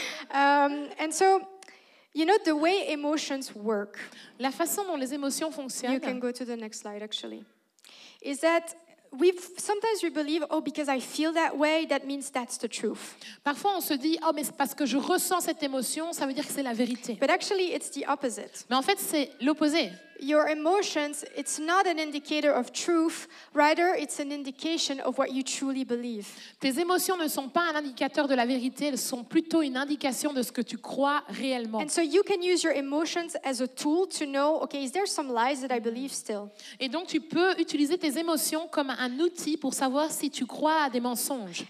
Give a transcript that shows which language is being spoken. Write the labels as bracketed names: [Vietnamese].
[English] And so, you know the way emotions work. [French] La façon dont les émotions fonctionnent. [English] You can go to the next slide, actually. Is that sometimes we believe, oh, because I feel that way, that means that's the truth. [French] Parfois on se dit, oh, mais c'est parce que je ressens cette émotion, ça veut dire que c'est la vérité. [English] But actually, it's the opposite. [French] Mais en fait, c'est l'opposé. [English] Your emotions, it's not an indicator of truth, rather it's an indication of what you truly believe. [French] Tes émotions ne sont pas un indicateur de la vérité, elles sont plutôt une indication de ce que tu crois réellement. [English] And so you can use your emotions as a tool to know, okay, is there some lies that I believe still? [French] Et donc tu peux utiliser tes émotions comme un outil pour savoir si tu crois à des mensonges.